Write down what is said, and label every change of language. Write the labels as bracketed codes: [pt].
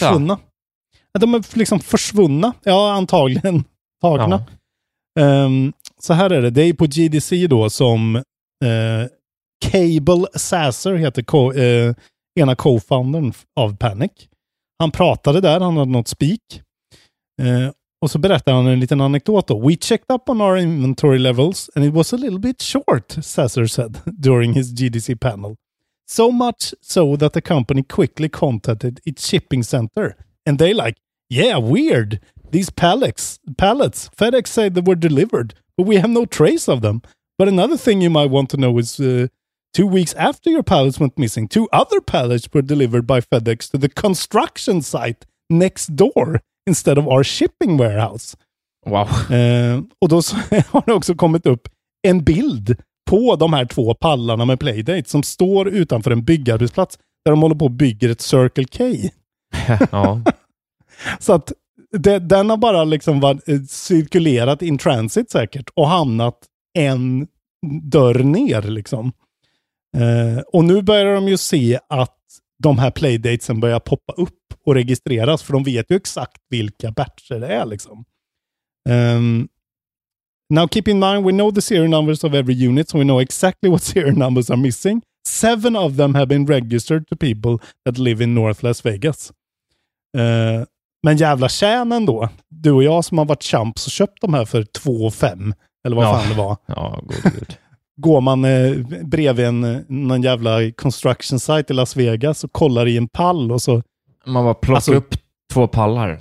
[sv] Är försvunna. De är liksom försvunna. Ja, antagligen tagna. Ja. Så här är det. Det är på GDC då som Cable Sasser heter ena co-foundern av Panic. Han pratade där. Han hade något speak. Och så berättade han en liten anekdot då. [en] We checked up on our inventory levels and it was a little bit short, Sasser said during his GDC panel. So much so that the company quickly contacted its shipping center and they like, yeah, weird. These pallets, FedEx said they were delivered, but we have no trace of them. But another thing you might want to know is 2 weeks after your pallets went missing, 2 other pallets were delivered by FedEx to the construction site next door. Instead of our shipping warehouse. Wow. [sv] Och då har det också kommit upp en bild på de här 2 pallarna med playdate som står utanför en byggarbetsplats där de håller på och bygger ett Circle K. Ja. Så att den har bara liksom cirkulerat in transit säkert och hamnat en dörr ner liksom. Och nu börjar de ju se att de här playdatesen börjar poppa upp och registreras, för de vet ju exakt vilka batcher det är liksom. [en] Now keep in mind, we know the serial numbers of every unit, so we know exactly what serial numbers are missing. 7 of them have been registered to people that live in North Las Vegas. [sv] Men jävla tjänen då, du och jag som har varit champs och köpt de här för 2,5 eller vad fan det var. Ja, gud. Går man bredvid någon jävla construction site i Las Vegas och kollar i en pall och så... Man bara plockar upp 2 pallar.